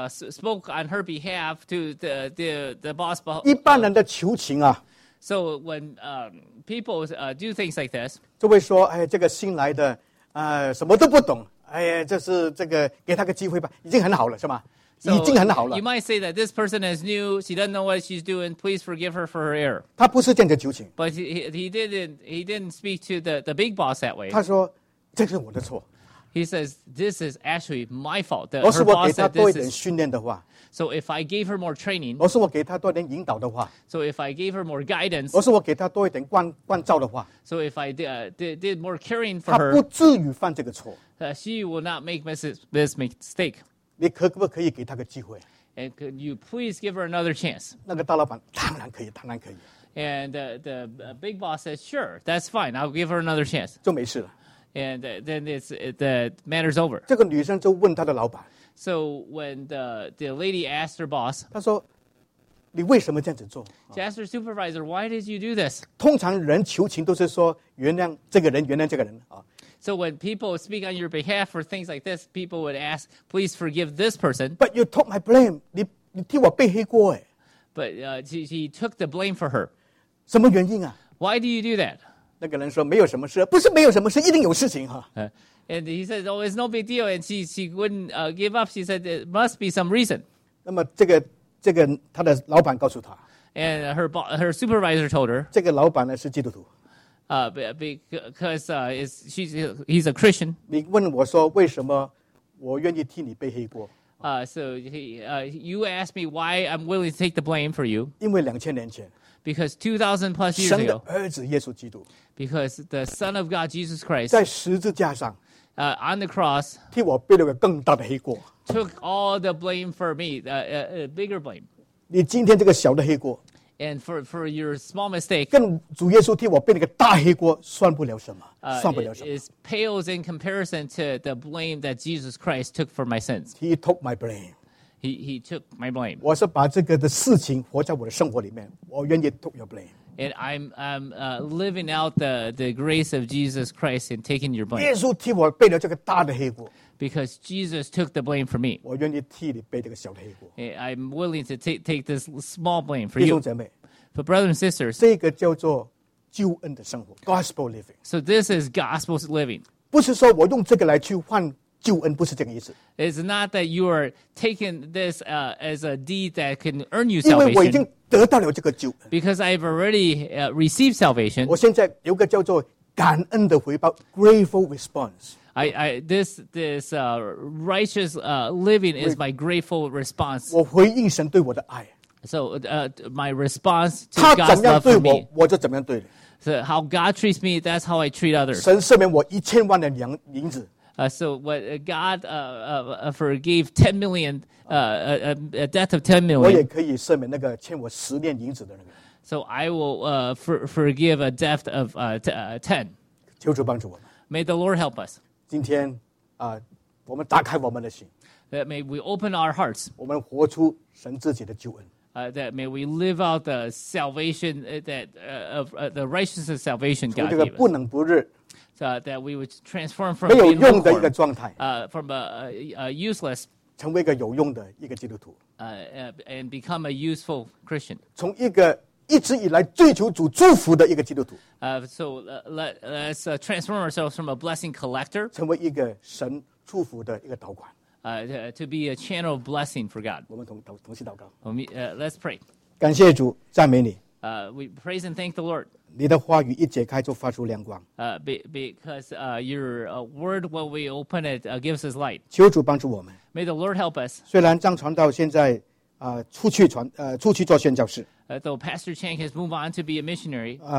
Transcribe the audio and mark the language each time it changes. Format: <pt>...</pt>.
<en>spoke on her behalf to the boss</en> <zh>一般人的求情啊</zh> <en>so when people do things like this</en> <zh>就会说哎这个新来的什么都不懂哎就是这个给他个机会吧已经很好了是吗</zh> <en>So,</en> <zh>已经很好了。</zh> <en>You might say that this person is new. She doesn't know what she's doing. Please forgive her for her error.</en> <zh>他不是这样的求情。</zh> <en>But he didn't speak to the big boss that way.</en> <zh>他说这是我的错。</zh> <en>He says this is actually my fault. Her boss said this is.</en> <zh>我是我给他多一点训练的话。</zh> <en>So if I gave her more training.</en> <zh>我是我给他多一点引导的话。</zh> <en>So if I gave her more guidance.</en> <zh>我是我给他多一点关照的话。</zh> <en>So if I did more caring for her.</en> <zh>他不至于犯这个错。</zh> <en>She will not make this mistake.</en> <zh>你可不可以给他个机会?</zh> <en>And could you please give her another chance?</en> <zh>那个大老板, 当然可以, 当然可以。</zh> <en>And the big boss says, sure, that's fine, I'll give her another chance.</en> <zh>就没事了。</zh> <en>And then the matter's over.</en> <zh>这个女生就问她的老板,</zh> <en>so when the lady asked her boss,</en> <zh>她说, 你为什么这样子做?</zh> <en>She asked her supervisor, why did you do this?</en> <zh>通常人求情都是说, 原谅这个人, 原谅这个人。</zh> <en>So when people speak on your behalf for things like this, people would ask, please forgive this person. But you took my blame.</en> <zh>你替我背黑锅欸。</zh> <en>But she took the blame for her.</en> <zh>什么原因啊?</zh> <en>Why do you do that?</en> <zh>那个人说没有什么事, 不是没有什么事, 一定有事情啊。</zh> <en>And he said, oh, it's no big deal. And she wouldn't give up. She said, it must be some reason.</en> <zh>那么这个他的老板告诉他,</zh> <en>And her supervisor told her,</en> <zh>这个老板呢是基督徒。</zh> <en>Because he's a Christian.</en> <zh>你问我说为什么我愿意替你背黑锅。</zh> <en>You asked me why I'm willing to take the blame for you.</en> <zh>因为两千年前。</zh> <en>Because 2,000 plus years ago.</en> <zh>神的儿子耶稣基督。</zh> <en>Because the Son of God, Jesus Christ.</en> <zh>在十字架上。</zh> <en>On the cross.</en> <zh>替我背了个更大的黑锅。</zh> <en>Took all the blame for me, a bigger blame.</en> <zh>你今天这个小的黑锅。</zh> <en>And for your small mistake,</en> <zh>跟主耶稣替我背那个大黑锅算不了什么，算不了什么。</zh> <en>It pales in comparison to the blame that Jesus Christ took for my sins. He took my blame. He took my blame.</en> <zh>我是把这个的事情活在我的生活里面，我愿意</zh> <en>took your blame. And I'm living out the grace of Jesus Christ in taking your blame.</en> <zh>耶稣替我背了这个大的黑锅。</zh> <en>Because Jesus took the blame for me.</en> <zh>我愿意替你背这个小的黑锅。</zh> <en>I'm willing to take this small blame for you.</en> <zh>弟兄姐妹。</zh> <en>For brothers and sisters.</en> <zh>这个叫做救恩的生活。</zh> <en>Gospel living. So this is gospel living.</en> <zh>不是说我用这个来去换救恩，不是这个意思。</zh> <en>It's not that you are taking this as a deed that can earn you salvation.</en> <zh>因为我已经得到了这个救恩。</zh> <en>Because I've already received salvation.</en> <zh>我现在有个叫做感恩的回报 ,</zh> <en>grateful response. This righteous living is my grateful response.</en> <zh>我回应神对我的爱。</zh> <en>So, my response to God's love for me.</en> <zh>我就怎么样对你。</zh> <en>So, how God treats me, that's how I treat others.</en> <zh>神赦免我一千万的银子。</zh> <en>So, what God forgave 10 million, a debt of 10 million.</en> <zh>我也可以赦免那个欠我十年银子的人。</zh> <en>So, I will forgive a debt of 10.</en> <zh>求主帮助我们。</zh> <en>May the Lord help us.</en> <zh>今天、我们打开我们的心。</zh> <en>That may we open our hearts.</en> <zh>我们活出神自己的救恩。</zh> <en>That may we live out the salvation, the righteousness of salvation God gave us.</en> <zh>从这个不冷不热。</zh> <en>That we would transform from</en> <zh>没有用的一个状态。</zh> <en>From a useless.</en> <zh>成为一个有用的一个基督徒。</zh> <en>And become a useful Christian.</en> <zh>从一个一直以来追求主祝福的一个基督徒。</zh> <en>So let's transform ourselves from a blessing collector</en> <zh>成为一个神祝福的一个导管。</zh> <en>To be a channel of blessing for God.</en> <zh>我们同心祷告。</zh> <en>Let's pray.</en> <zh>感谢主，赞美你。</zh> <en>We praise and thank the Lord.</en> <zh>你的话语一解开就发出亮光。</zh> <en>Because your word, when we open it, gives us light.</en> <zh>求主帮助我们。</zh> <en>May the Lord help us.</en> <zh>虽然张传道现在出去做宣教士。</zh> <en>Though Pastor Chang has moved on to be a missionary,</en>